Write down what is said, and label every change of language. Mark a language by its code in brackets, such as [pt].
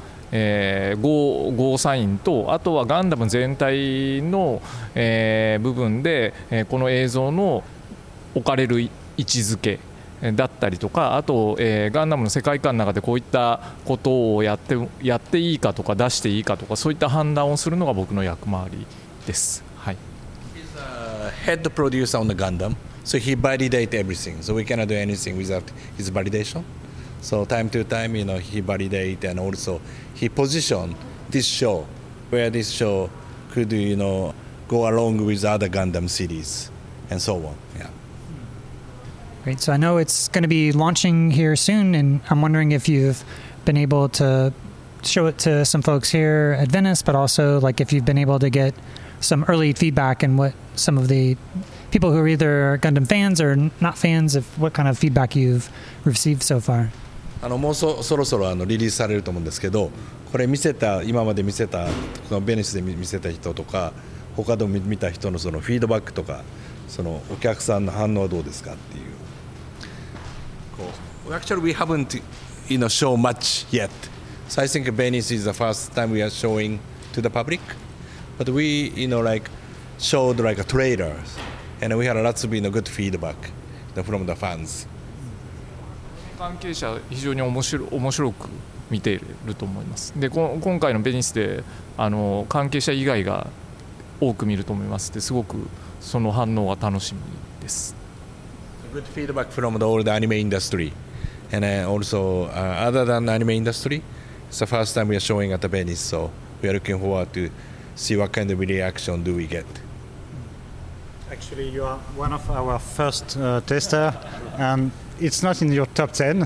[ja] ゴーサインとあとはガンダム全体の、部分で、この映像の置かれる位置づけだったりとかあと、ガンダムの世界観の中でこういったことをやっていいかとか出していいかとかそういった判断をするのが僕の役回りです。はい。 [en] Head producer on the Gundam, so he validate everything. So we cannot do anything without his validation. So time to time, you know, he validate and also he position this show where this show could, you know, go along with other Gundam series and so on. Yeah. Great. So I know it's going to be launching here soon, and I'm wondering if you've been able to show it to some folks here at Venice, but also like if you've been able to get some early feedback and what some of the people who are either Gundam fans or not fans, if what kind of feedback you've received so far. [ja] もうそろそろリリースされると思うんですけど、これ見せた、今まで見せた、ベネスで見せた人とか、他でも見た人のそのフィードバックとか、そのお客さんの反応はどうですかっていう。 [en] Actually, we haven't, you know, shown much yet. So I think Venice is the first time we are showing to the public. But we, you know, like showed like a trailer, and we had lots of, you know, good feedback from the fans. [ja] 関係者非常に面白く見ていると思います。で、今回のベニスで関係者以外が多く見ると思います。で、すごくその反応が楽しみです。 [en] Good feedback from the old anime industry, and also other than anime industry, it's the first time we are showing at the Venice, so we are looking forward to. See what kind of reaction do we get? Actually, you are one of our first tester, and it's not in your top 10.